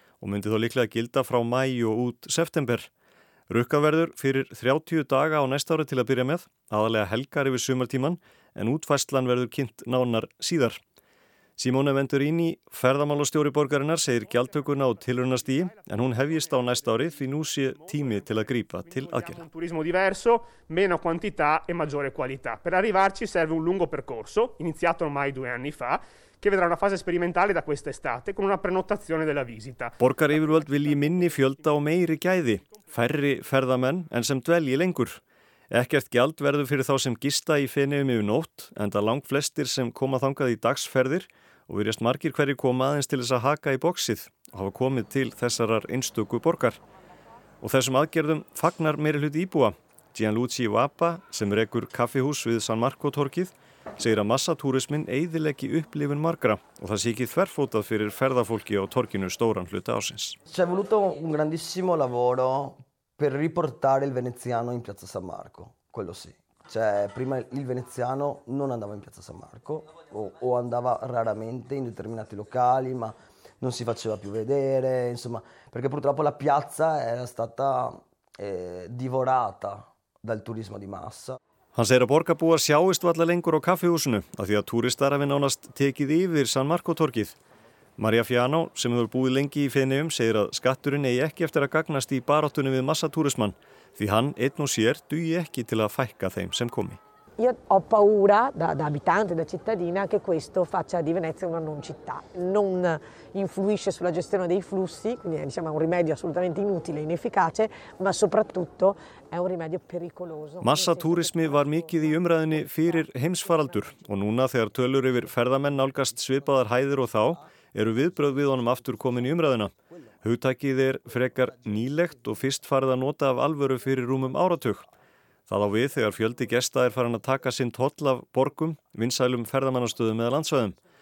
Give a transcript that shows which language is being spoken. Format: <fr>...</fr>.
<is>Og myndi þó líklega gilda frá maí og út september. Rukkað verður fyrir 30 daga á næsta ári til að byrja með, aðalega helgar yfir sumartíman, en útfærslan verður kynnt nánar síðar. Simone Venturini, ferðamálastjóri borgarinnar, segir gjaldtökuna á tilraunastigi, en hún hefjist á næsta ári því nú sé tími til að grípa til aðgerða.</is> <it>Turismo diverso, meno quantità e maggiore qualità. Per arrivarci serve un lungo percorso, iniziato ormai due anni fa, che vedrà una fase sperimentale da questa estate con una prenotazione della visita.</it> <is>Borgaryfirvöld vilji minni fjölda og meiri gæði, færri ferðamenn en sem dvelji lengur. Ekkert gjald verður fyrir þá sem gista í Feneyjum yfir nótt, enda langflestir sem koma þangað í dagsferðir og virðist margir hverjir koma aðeins til þess að haka í boxið og hafa komið til þessarar einstöku borgar. Og þessum aðgerðum fagnar meiri hluti íbúa. Gianluci Vapa, sem rekur kaffihús við San Marco torkið, segir að massatúrismin eyðileggi upplifun margra og það sé ekki þverfótað fyrir ferðafólki á torkinu stóran hluta ársins.</is> <it>C'è voluto un grandissimo lavoro per riportare il veneziano in Piazza San Marco, quello sì. Cioè, prima il veneziano non andava in Piazza San Marco o andava raramente in determinati locali, ma non si faceva più vedere, insomma, perché purtroppo la piazza era stata divorata dal turismo di massa.</it> <is>Hann segir að borgarbúar sjáist varla lengur á kaffihúsinu af því að túristar hafi nánast tekið yfir San Marco torgið. María Fiano, sem hefur búið lengi í Feneyjum, segir að skatturinn eigi ekki eftir að gagnast í baráttunni við massatúrismann, því hann einn og sér dugi ekki til að fækka þeim sem komi.</is> <it>Io ho paura da abitante, da cittadina, che questo faccia di Venezia una non città. Non influisce sulla gestione dei flussi, quindi diciamo, è un rimedio assolutamente inutile, inefficace, ma soprattutto è un rimedio pericoloso.</it> <is>Massatúrismi var mikið í umræðinni fyrir heimsfaraldur og núna þegar tölur yfir ferðamenn nálgast svipaðar hæðir og þá, eru viðbrögð við honum aftur komin í umræðina. Hugtakið frekar nýlegt og fyrst farið að nota af alvöru fyrir rúmum áratug. Það á við þegar fjöldi gesta farin að taka sinn toll af borgum, vinsælum ferðamannastöðum eða landsvæðum.</is>